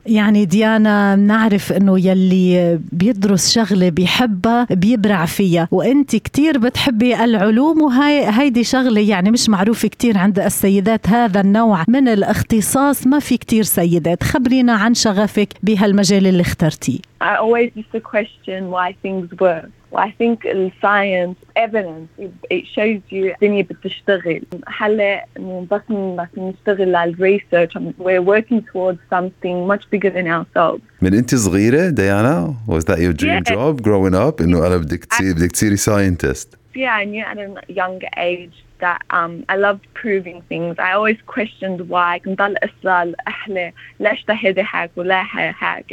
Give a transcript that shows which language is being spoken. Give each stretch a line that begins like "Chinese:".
Arabic: يعني ديانا نعرف أنه يلي بيدرس شغلة بيحبها بيبرع فيها، وأنت كتير بتحبي العلوم، وهي هيدي شغلة يعني مش معروفة كتير عند السيدات، هذا النوع من الاختصاص ما في كتير سيدات. خبرينا عن شغفك بهالمجال اللي اخترتي.
English: I always used to question why things work. Well, I think science evidence it shows you
Arabic: الدنيا بتشتغل. هلا بس نشتغل على research.
English: We're working towards something much bigger than ourselves.
Arabic: من أنت صغيرة ديانا؟
English: Was that your dream job growing up؟
Arabic: إنه أنا بدك تصيري scientist.
English: Yeah, I knew at a younger age that I loved proving things. I always questioned why.
Arabic: كنت ضل أسأل أهلي ليش تهدي هيك ولا هيك.